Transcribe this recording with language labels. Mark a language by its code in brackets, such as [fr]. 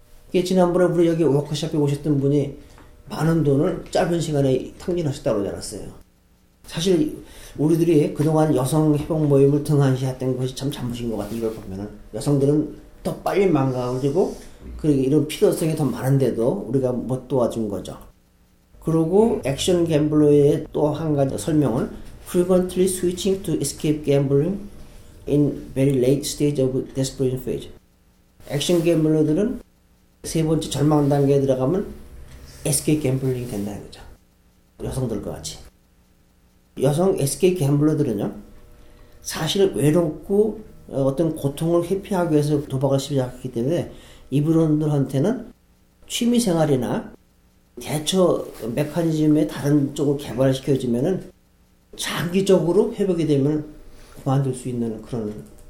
[ko] 이게 지난번에 우리 여기 워크숍에 오셨던 분이 많은 돈을 짧은 시간에 탕진하셨다고 알았어요. 사실 우리들이 그동안 여성 회복 모임을 등한시했던 것이 참 잘못인 것 같아요. 이걸 보면은 여성들은 더 빨리 망가지고 그리고 이런 필요성이 더 많은데도 우리가 못 도와준 거죠. 그리고 액션 갬블러의 또 한 가지 설명은 [en] frequently switching to escape gambling in very late stage of desperation phase. [ko] 액션 갬블러들은 세 번째 절망 단계에 들어가면 escape gambling이 된다는 거죠. 여성들과 같이. 여성 escape gambler들은요, 사실 외롭고 어떤 고통을 회피하기 위해서 도박을 시작했기 때문에 이분들한테는 취미생활이나 대처 메커니즘의 다른 쪽을 개발시켜주면은 장기적으로 회복이 되면 그만둘 수 있는 그런